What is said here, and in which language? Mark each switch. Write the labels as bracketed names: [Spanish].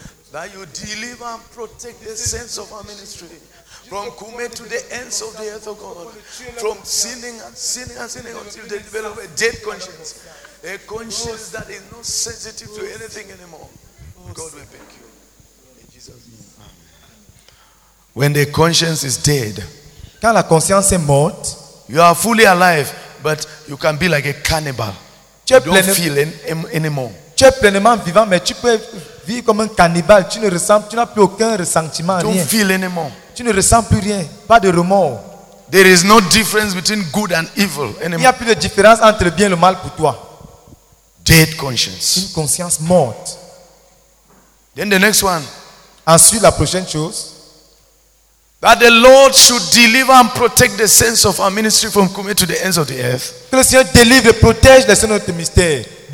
[English] That you deliver and protect the saints of our ministry from Kume to the ends of the earth, O God, from sinning and sinning and sinning until they develop a dead conscience, a conscience that is not sensitive to anything anymore. God, we thank you. In Jesus' name. Amen. When the conscience is dead, [French] quand la conscience est morte, [English] you are fully alive, but you can be like a cannibal. [French] Tu es [English] don't feel anymore. [French] Tu es pleinement vivant, mais tu peux vivre comme un cannibale. Tu ne ressens, tu n'as plus aucun ressentiment. [English] Don't feel anymore. [French] Tu ne ressens plus rien. Pas de remords. [English] There is no difference between good and evil anymore. [French] Il n'y a plus de différence entre le bien et le mal pour toi. [English] Dead conscience. [French] Une conscience morte. [English] Then the next one. [French] Ensuite, la prochaine chose. [English] That the Lord should deliver and protect the saints of our ministry from coming to the ends of the earth. [French] Que le Seigneur délivre et protège les saints de notre ministère.